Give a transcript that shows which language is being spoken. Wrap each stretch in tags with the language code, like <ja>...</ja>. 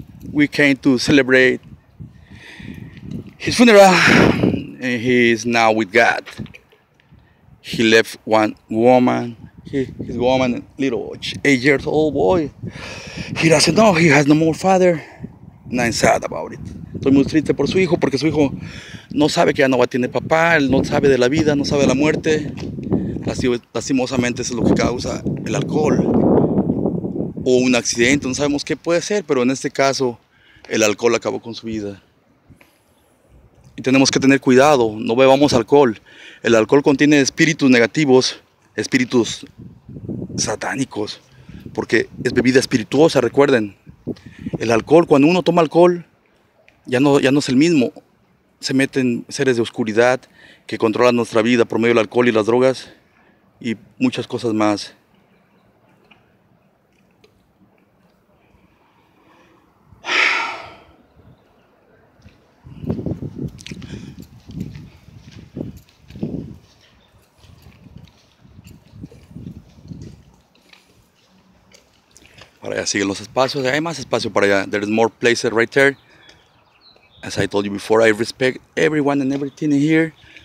<en>we came to celebrate his funeral, and he is now with God. He left one woman, his woman, little 8 years old boy. He doesn't know, he has no more father. And I'm sad about it.</en> <es>Estoy muy triste por su hijo, porque su hijo no sabe que ya no va a tener papá, él no sabe de la vida, no sabe de la muerte. Lastimosamente, eso es lo que causa el alcohol. O un accidente, no sabemos qué puede ser, pero en este caso, el alcohol acabó con su vida. Y tenemos que tener cuidado, no bebamos alcohol. El alcohol contiene espíritus negativos, espíritus satánicos, porque es bebida espirituosa, recuerden. El alcohol, cuando uno toma alcohol, ya no es el mismo. Se meten seres de oscuridad que controlan nuestra vida por medio del alcohol y las drogas y muchas cosas más. Para allá siguen los espacios, hay más espacio para allá.</es> <en>There is more places right there. As I told you before, I respect everyone and everything in here.</en>